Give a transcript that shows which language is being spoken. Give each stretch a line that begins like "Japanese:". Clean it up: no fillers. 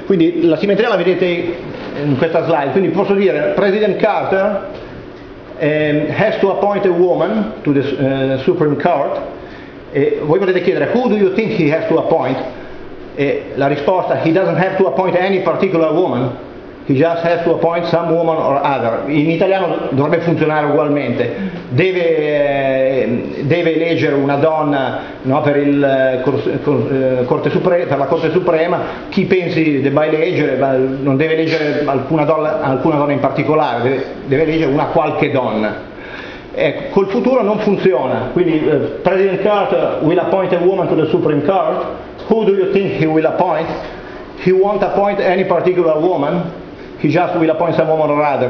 Italian: Quindi la simmetria la vedete in questa slide. Quindi posso dire,
English: President Carter has to appoint a woman to the Supreme Court.
Italian: E voi potete chiedere,
English: who do you think he has to appoint?
Italian: E la risposta,
English: he doesn't have to appoint any particular woman. He just has to appoint some woman or other.
Italian: In italiano dovrebbe funzionare ugualmente. Deve eleggere una donna, no, per il Corte Suprema, per la Corte Suprema. Chi pensi debba eleggere, ma non deve eleggere alcuna donna in particolare, deve eleggere una qualche donna. Ecco, col futuro non funziona. Quindi
English: President Carter will appoint a woman to the Supreme Court. Who do you think he will appoint? He won't appoint any particular woman. He just will appoint some woman or other.